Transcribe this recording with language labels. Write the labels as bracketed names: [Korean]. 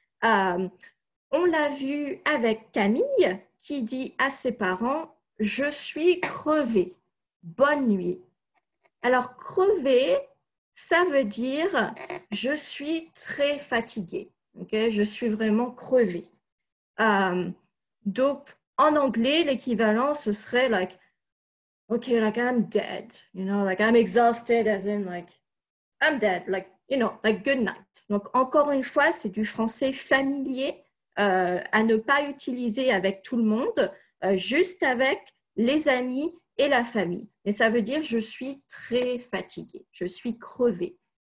[French] On l'a vu avec Camille qui dit à ses parents, je suis crevé, bonne nuit. Alors crevé, ça veut dire je suis très fatigué, okay? Je suis vraiment crevé. Donc, en anglais, l'équivalent, ce serait [English] like, okay, like I'm dead, you know, like I'm exhausted as in like, I'm dead, like, you know, like good night. [French] Donc, encore une fois, c'est du français familier à ne pas utiliser avec tout le monde, juste avec les amis et la famille. Et ça veut dire je suis très fatiguée, je suis crevée.